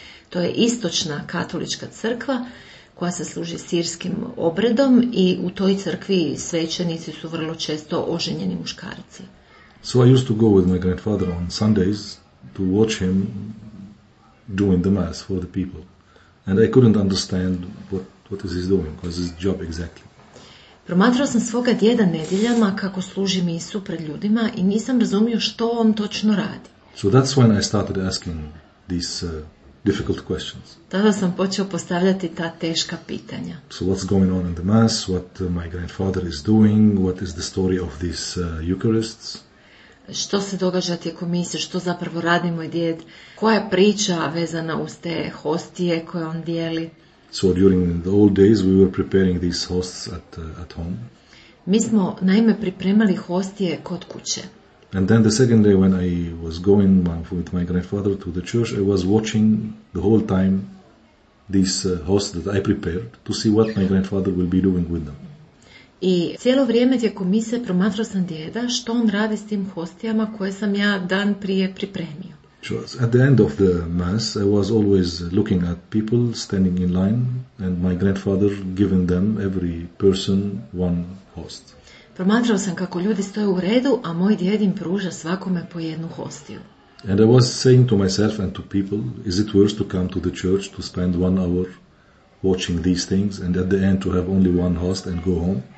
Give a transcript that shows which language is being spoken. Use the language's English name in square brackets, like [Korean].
[Croatian] To je istočna katolička crkva koja se služi sirskim obredom i u toj crkvi svećenici su vrlo često oženjeni muškarci. [English] So I used to go with my grandfather on Sundays to watch him doing the mass for the people. And I couldn't understand what is he doing, what is his job exactly. [Croatian] Promatrao sam svoga djeda nedjeljama kako služi misu pred ljudima i nisam razumio što on točno radi. [English] So that's when I started asking these difficult questions. [Croatian] Tada sam počeo postavljati ta teška pitanja. [English] So what's going on in the mass, what my grandfather is doing, what is the story of these Eucharists? [Croatian] Što se događa tijekom mise, što zapravo radi moj djed, koja je priča vezana uz te hostije koje on dijeli. [English] So during the old days we were preparing these hosts at home. [Croatian] Mi smo naime pripremali hostije kod kuće. [English] And then the second day when I was going with my grandfather to the church, I was watching the whole time these hosts that I prepared to see what my grandfather will be doing with them. [Croatian] I cijelo vrijeme tijekom mise promatrao sam djeda što on radi s tim hostijama koje sam ja dan prije pripremio. [English] Sure. At the end of the mass, I was always looking at people standing in line and my grandfather giving them every person one host. [Croatian] Promatrao sam kako ljudi stoje u redu, a moj djed im pruža svakome po jednu hostiju. [English] And I was saying to myself and to people, is it worth to come to the church to spend 1 hour watching these things and at the end to have only one host and go home?